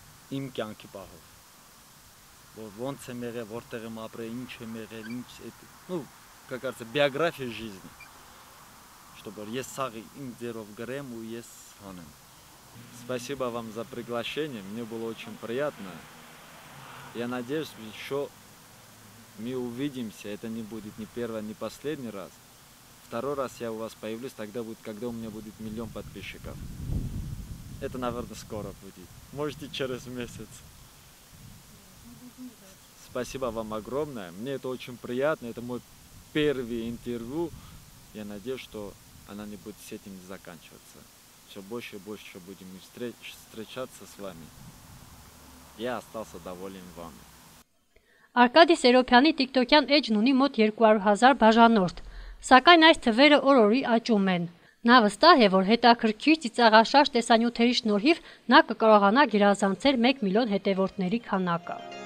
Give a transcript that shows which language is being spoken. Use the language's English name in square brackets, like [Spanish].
[Armenian] իմ կյանքի պահով, որ ոնց եմ եղել, որտեղ եմ ապրել, ինչ եմ եղել, ինչ այդ, ու կարծես [Russian] բիոգրաֆիա ժիզնի, чтобы [Armenian] ես սաղի իմ ձերով գրեմ ու ես հանեմ։ [Russian] Спасибо вам за приглашение, мне было очень приятно. Я надеюсь, еще мы увидимся, это не будет ни первый, ни последний раз. Второй раз я у вас появлюсь, тогда будет, когда у меня будет миллион подписчиков. Это, наверное, скоро будет. Можете через месяц. Спасибо вам огромное. Мне это очень приятно. Это мой первый интервью. Я надеюсь, что она не будет с этим заканчиваться. Все больше и больше будем встречаться с вами. Я остался доволен вами. [Armenian] Արկադի Սերոփյանի TikTok-յան էջն ունի մոտ 200 000 բաժանորդ, սակայն այս թվերը օրորի աճում են։ Նա վստահ է, որ հետաքրքիր ծիծաղաշարժ տեսանյութերի շնորհիվ նա կկարողանա գերազանցել 1 միլիոն հետևորդների քանակը։